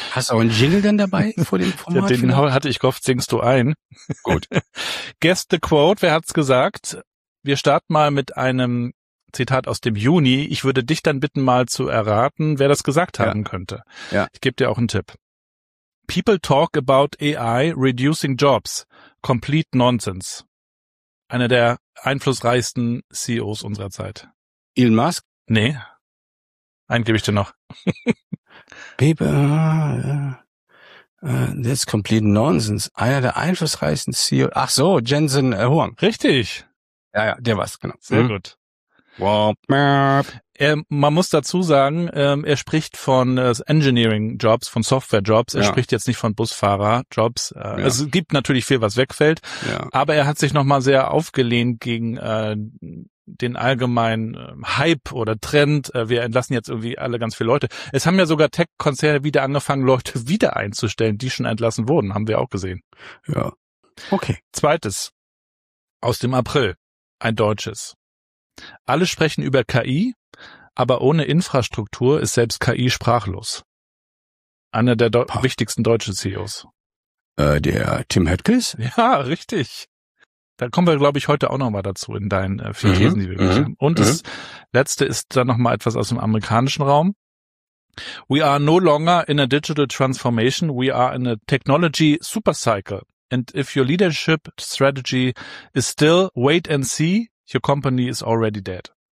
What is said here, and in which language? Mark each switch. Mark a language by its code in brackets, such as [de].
[de] Hast du auch einen Jingle denn dabei vor dem Format? Den vielleicht? Hatte ich gehofft, singst du ein. Gut. [en] Guess the quote, [de] wer hat's gesagt? Wir starten mal mit einem Zitat aus dem Juni. Ich würde dich dann bitten, mal zu erraten, wer das gesagt haben könnte. Ja. Ich gebe dir auch einen Tipp. [en] People talk about AI reducing jobs. Complete nonsense. [de] Einer der einflussreichsten CEOs unserer Zeit. Elon Musk? Nee. Einen gebe ich dir noch. [en] People, that's complete nonsense. [de] Einer der einflussreichsten CEOs. Ach so, Jensen Huang. Richtig. Ja, der war's, genau. Sehr gut. Man muss dazu sagen, er spricht von Engineering-Jobs, von Software-Jobs. Er spricht jetzt nicht von Busfahrer-Jobs. Es gibt natürlich viel, was wegfällt. Aber er hat sich nochmal sehr aufgelehnt gegen den allgemeinen Hype oder Trend. Wir entlassen jetzt irgendwie alle ganz viele Leute. Es haben ja sogar Tech-Konzerne wieder angefangen, Leute wieder einzustellen, die schon entlassen wurden. Haben wir auch gesehen. Ja. Okay. Zweites. Aus dem April. Ein deutsches. Alle sprechen über KI, aber ohne Infrastruktur ist selbst KI sprachlos. Einer der wichtigsten deutschen CEOs. Der Tim Höttges? Ja, richtig. Da kommen wir, glaube ich, heute auch nochmal dazu in deinen vier Thesen, die wir gemacht haben. Und das letzte ist dann nochmal etwas aus dem amerikanischen Raum. [en] We are no longer in a digital transformation, we are in a technology supercycle. And if your leadership strategy is still wait and see, your company is already dead.